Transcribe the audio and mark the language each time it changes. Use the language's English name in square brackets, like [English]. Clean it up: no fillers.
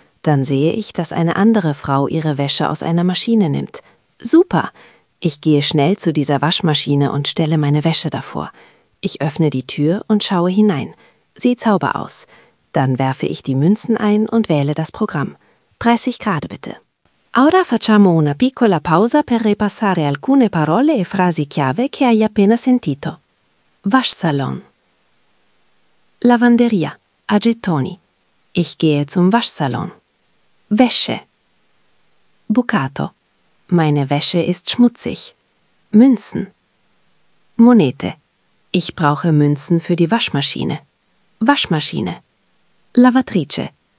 [German] Dann sehe ich, dass eine andere Frau ihre Wäsche aus einer Maschine nimmt. Super! Ich gehe schnell zu dieser Waschmaschine und stelle meine Wäsche davor. Ich öffne die Tür und schaue hinein. Sieht sauber aus. Dann werfe ich die Münzen ein und wähle das Programm. 30 Grad bitte. [Italian] Ora facciamo una piccola pausa per ripassare alcune parole e frasi chiave che hai appena sentito. Waschsalon. Lavanderia, a gettoni. [German] Ich gehe zum Waschsalon. Wäsche. Bucato. Meine Wäsche ist schmutzig. Münzen. Monete. Ich brauche Münzen für die Waschmaschine. Waschmaschine. Lavatrice.